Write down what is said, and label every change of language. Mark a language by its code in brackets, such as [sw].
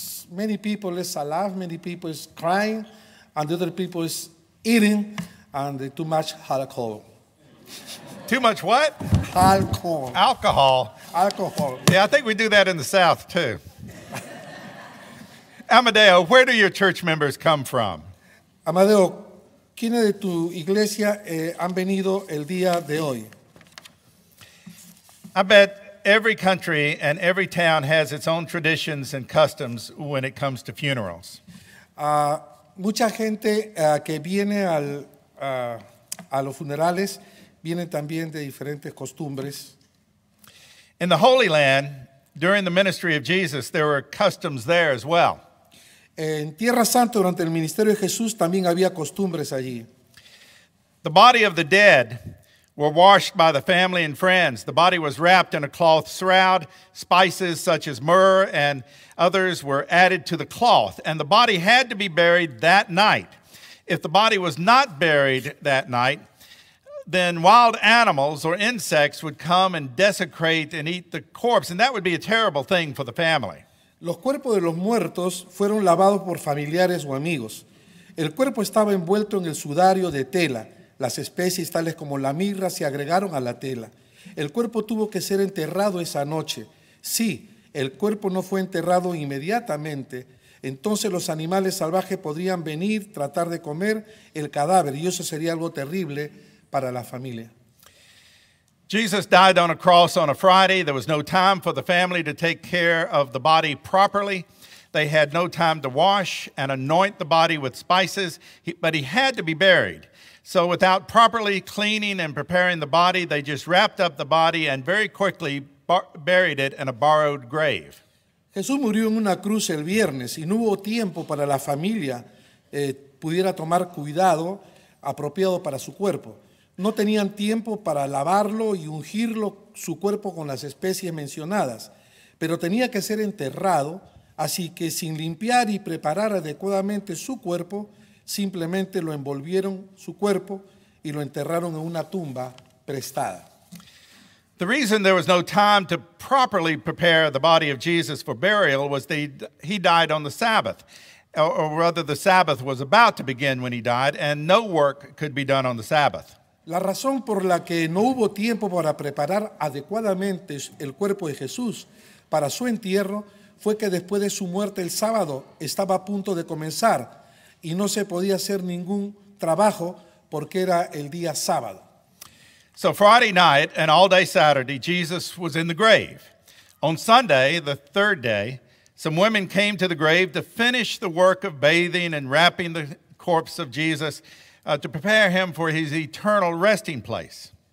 [en] Many people is laugh, many people is crying, and other people is eating, and too much alcohol. Too much what? Alcohol. Alcohol. Alcohol. Yeah, I think we do that in the South too. Amadeo, where do your church members come from? [es] Amadeo, ¿quiénes de tu iglesia han venido el día de hoy? [en] I bet every country and every town has its own traditions and customs when it comes to funerals. [es] Mucha gente que viene a los funerales viene también de diferentes costumbres. [en] In the Holy Land, during the ministry of Jesus, there were customs there as well. [es] En Tierra Santa, durante el ministerio de Jesús, también había costumbres allí. [en] The body of the dead were washed by the family and friends. The body was wrapped in a cloth shroud. Spices such as myrrh and others were added to the cloth. And the body had to be buried that night. If the body was not buried that night, then wild animals or insects would come and desecrate and eat the corpse. And that would be a terrible thing for the family. [es] Los cuerpos de los muertos fueron lavados por familiares o amigos. El cuerpo estaba envuelto en el sudario de tela. Las especies tales como la mirra se agregaron a la tela. El cuerpo tuvo que ser enterrado esa noche. Sí, el cuerpo no fue enterrado inmediatamente. Entonces los animales salvajes podrían venir, tratar de comer el cadáver. Y eso sería algo terrible para la familia. [en] Jesus died on a cross on a Friday. There was no time for the family to take care of the body properly. They had no time to wash and anoint the body with spices, but he had to be buried. So without properly cleaning and preparing the body, they just wrapped up the body and very quickly buried it in a borrowed grave. [es] Jesús murió en una cruz el viernes y no hubo tiempo para la familia pudiera tomar cuidado apropiado para su cuerpo. No tenían tiempo para lavarlo y ungirlo su cuerpo con las especies mencionadas, pero tenía que ser enterrado, así que sin limpiar y preparar adecuadamente su cuerpo, simplemente lo envolvieron su cuerpo y lo enterraron en una tumba prestada. [en] The reason there was no time to properly prepare the body of Jesus for burial was that he died on the Sabbath, or rather the Sabbath was about to begin when he died, and no work could be done on the Sabbath. [es] La razón por la que no hubo tiempo para preparar adecuadamente el cuerpo de Jesús para su entierro fue que después de su muerte el sábado estaba a punto de comenzar y no se podía hacer ningún trabajo porque era el día sábado. [en] So Friday night and all day Saturday, Jesus was in the grave. On Sunday, the third day, some women came to the grave to finish the work of bathing and wrapping the corpse of Jesus to prepare him for his eternal resting place.